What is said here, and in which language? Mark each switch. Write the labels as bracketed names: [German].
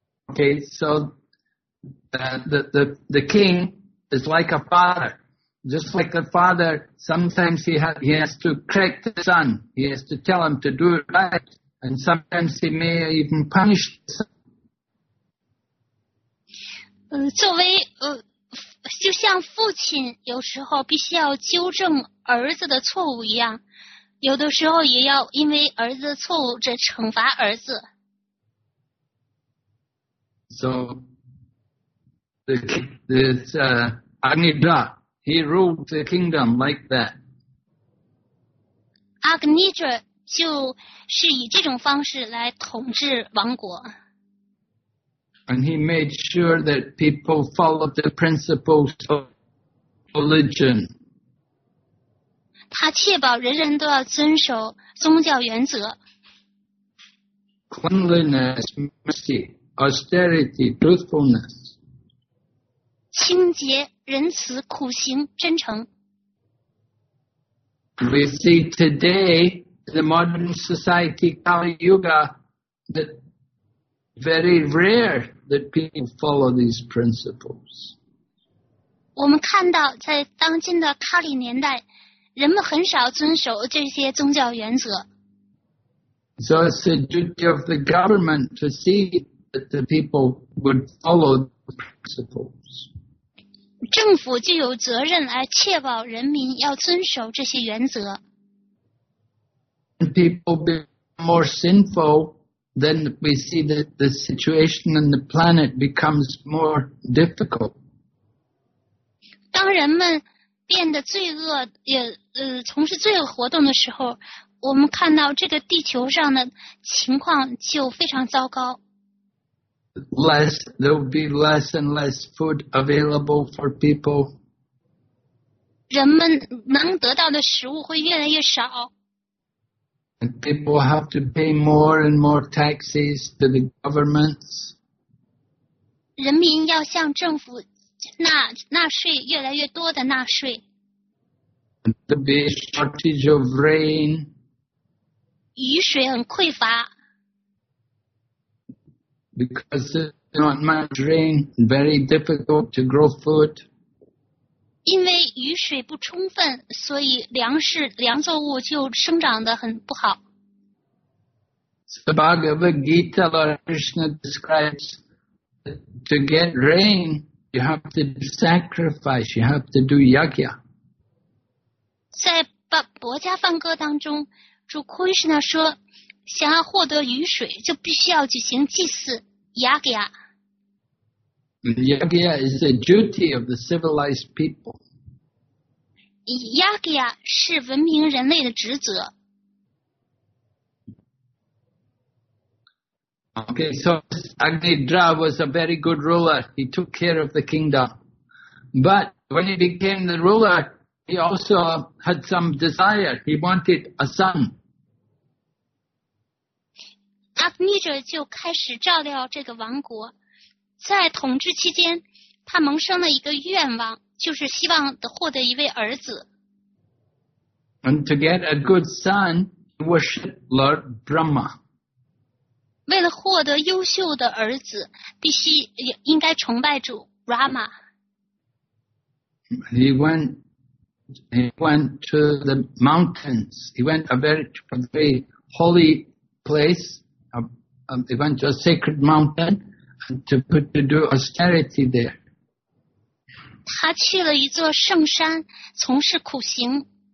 [English] Okay, so the king, is like a father. Just like the father, sometimes he has to correct the son. He has to tell him to do it right. And sometimes he may even punish the son. [Chinese] 作为就像父亲有时候必须要纠正儿子的错误一样，有的时候也要因为儿子的错误这惩罚儿子。 [English] So, Agnidra, he ruled the kingdom like that. [Chinese] Agnidra 就是以这种方式来统治王国。 [English] And he made sure that people followed the principles of religion. [Chinese] 他确保人人都要遵守宗教原则。 [English] Cleanliness, mercy, austerity, truthfulness. [Chinese] 清洁、仁慈、苦行、真诚。 [English] We see today the modern society, Kali Yuga, that very rare. That people follow these principles. [Chinese] 我们看到在当今的喀里年代，人们很少遵守这些宗教原则。 [English] So it's the duty of the government to see that the people would follow the principles. [Chinese] 政府就有责任来确保人民要遵守这些原则。 [English] And people be more sinful. Then we see that the situation on the planet becomes more difficult. [Chinese] 当人们变得罪恶，从事罪恶活动的时候，我们看到这个地球上的情况就非常糟糕。 [English] There will be less and less food available for people. [Chinese] 人们能得到的食物会越来越少。 [English] And people have to pay more and more taxes to the governments. [Chinese] 人民要向政府纳税越来越多的纳税。 [English] And there'll be a shortage of rain. [Chinese] 雨水很匮乏。 [English] Because there's not much rain, very difficult to grow food. [Chinese] 因为雨水不充分，所以粮作物就生长得很不好。 [English] The Bhagavad Gita, Lord Krishna describes that to get rain, you have to sacrifice, you have to do yajna. [Chinese] 在薄伽梵歌当中，主库里什那说，想要获得雨水，就必须要举行祭祀 yajna. [English] Yajna is the duty of the civilized people. [Chinese] Yajna 是文明人类的职责。 [English] Okay, so Agnidra was a very good ruler. He took care of the kingdom. But when he became the ruler, he also had some desire. He wanted a son. [Chinese] Agnidra 就开始照料这个王国。在统治期间，他萌生了一个愿望，就是希望获得一位儿子。 [English] And to get a good son, he worshipped Lord Brahma. [Chinese] 为了获得优秀的儿子，必须应该崇拜主 Rama。 [English] He went to the mountains. He went to a very holy place. He went to a sacred mountain to do austerity there. [Chinese] 他去了一座圣山，从事苦行。